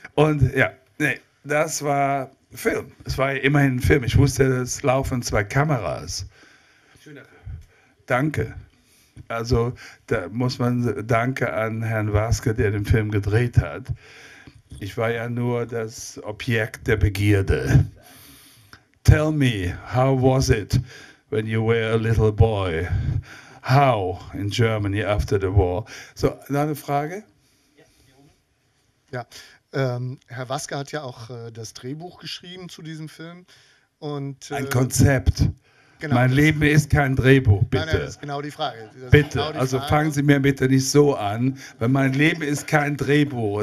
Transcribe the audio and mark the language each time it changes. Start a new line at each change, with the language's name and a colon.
German: Und ja, nee, das war Film. Es war ja immerhin ein Film. Ich wusste, es laufen zwei Kameras. Schöner Film. Danke. Also da muss man Danke an Herrn Waske, der den Film gedreht hat. Ich war ja nur das Objekt der Begierde.
English: Tell me, how was it when you were a little boy? How in Germany after the war?
German: So, noch eine Frage? Ja, Herr Waske hat ja auch das Drehbuch geschrieben zu diesem Film. Und, ein Konzept. Genau, mein Leben ist kein Drehbuch, bitte. Nein, das ist genau die Frage. Bitte, genau die also Frage. Fangen Sie mir bitte nicht so an, weil mein Leben ist kein Drehbuch.